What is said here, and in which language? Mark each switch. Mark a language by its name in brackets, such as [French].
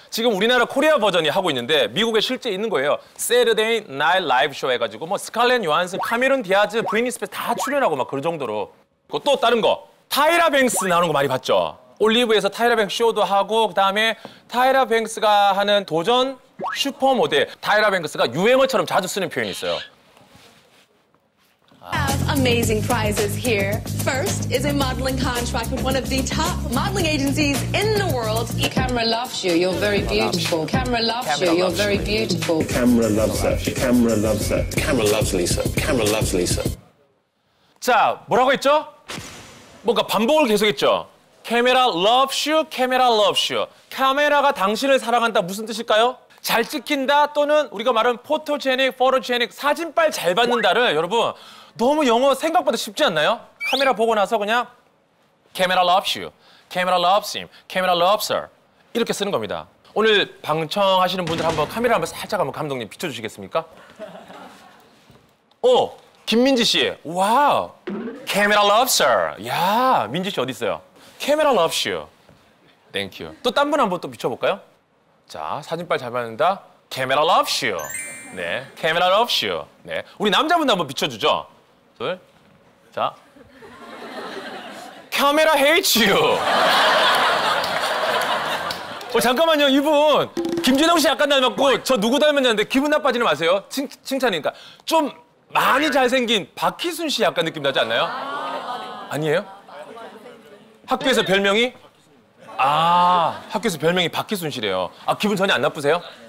[Korean] 지금 우리나라 코리아 버전이 하고 있는데 미국에 실제 있는 거예요. 세르데이 나잇 라이브 쇼 해가지고 뭐 스칼렛 요한슨, 카메론 디아즈, 브리니 스페스 다 출연하고 막 그 정도로. 그리고 또 다른 거, 타이라 뱅스 나오는 거 많이 봤죠? 올리브에서 타이라 뱅스 쇼도 하고 그다음에 타이라 뱅스가 하는 도전 슈퍼모델. 타이라 뱅스가 유행어처럼 자주 쓰는 표현이 있어요. 아. [English] amazing prizes here. First is a modeling contract with one of the top modeling agencies in the world. The camera loves you. You're very beautiful. Camera loves you. You're very beautiful. Camera loves her. Camera loves her. Camera loves Lisa. Camera loves Lisa. [Korean] 자, 뭐라고 했죠? 뭔가 반복을 계속했죠? [English] Camera loves you, camera loves you. [Korean] 카메라가 당신을 사랑한다, 무슨 뜻일까요? 잘 찍힌다, 또는 우리가 말하는 포토제닉, 포토제닉, 사진빨 잘 받는다를 여러분, 너무 영어 생각보다 쉽지 않나요? 카메라 보고 나서 그냥 [English] Camera loves you, camera loves him, camera loves her [Korean] 이렇게 쓰는 겁니다. 오늘 방청하시는 분들 한번 카메라 한번 살짝 한번 감독님 비춰주시겠습니까? 오! 김민지 씨, 와우, [English] camera loves her. [Korean] 야, 민지 씨 어디 있어요? [English] Camera loves you. Thank you. [Korean] 또 딴 분 한번 또 비춰볼까요? 자, 사진빨 잘 받는다. [English] Camera loves you. [Korean] 네, [English] camera loves you. [Korean] 네, 우리 남자분도 한번 비춰주죠. 둘, 자, [English] camera hates you. [Korean] 어, 잠깐만요, 이분 김진홍 씨 약간 닮았고 저 누구 닮았냐는데 기분 나빠지는 마세요. 칭찬이니까 좀. 많이 잘생긴 박희순 씨 약간 느낌 나지 않나요? 아니에요? 학교에서 별명이? 아, 학교에서 별명이 박희순 씨래요. 아, 기분 전혀 안 나쁘세요?